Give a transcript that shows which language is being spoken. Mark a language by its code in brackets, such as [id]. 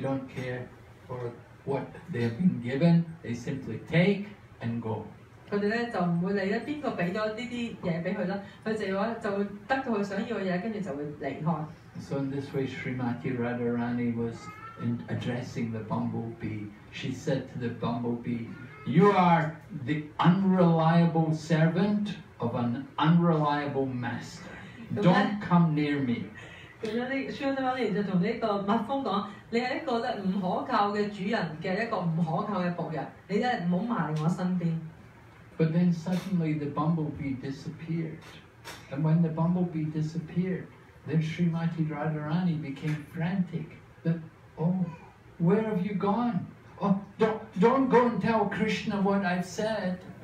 [en] don't care for what they have been given, they simply take and go. [zh] 他們就不會理會誰給了這些東西給他,他們就會得到他們想要的東西,然後就會離開。 [en] So in this way, Srimati Radharani was addressing the bumblebee. She said to the bumblebee, "You are the unreliable servant of an unreliable master. Don't come near me." [zh] 他就跟這個蜜蜂說,你是一個不可靠的主人的一個不可靠的僕人,你不要過來我身邊。 [en] But then suddenly the bumblebee disappeared. And when the bumblebee disappeared, then Srimati Radharani became frantic. That, oh, where have you gone? Oh, don't go and tell Krishna what I've said.